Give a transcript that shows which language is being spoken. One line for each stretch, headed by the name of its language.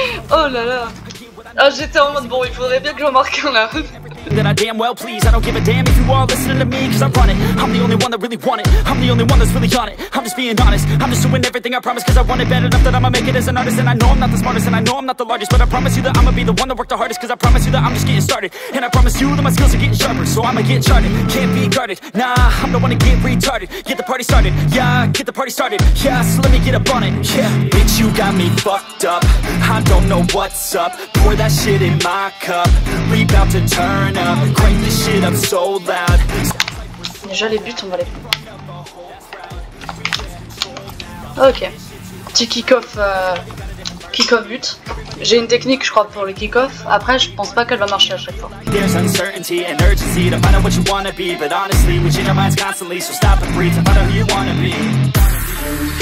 French: Oh là là! Ah, j'étais en mode bon, il faudrait bien que j'en marque un là!
English: that I damn well please. I don't give a damn if you all listening to me, cause I run it. I'm the only one that really want it. I'm the only one that's really on it. I'm just being honest. I'm just doing everything I promise, cause I want it bad enough that I'ma make it as an artist. And I know I'm not the smartest, and I know I'm not the largest, but I promise you that I'ma be the one that worked the hardest, cause I promise you that I'm just getting started. And I promise you that my skills are getting sharper, so I'ma get charted. Can't be guarded, nah, I'm the one to get retarded. Get the party started, yeah, get the party started. Yeah, so let me get up on it, yeah. Bitch, you got me fucked up. I don't know what's up. Pour that shit in my cup. We about to turn up. Crank this shit up so loud.
French: Déjà les buts, on va les... Ok. Petit kick-off. Kick-off but. J'ai une technique, je crois, pour le kick-off. Après, je pense pas qu'elle va marcher à chaque fois.
English: There's uncertainty and urgency to find out what you wanna be. But honestly, we change our minds constantly. So stop and breathe to find out who you wanna be.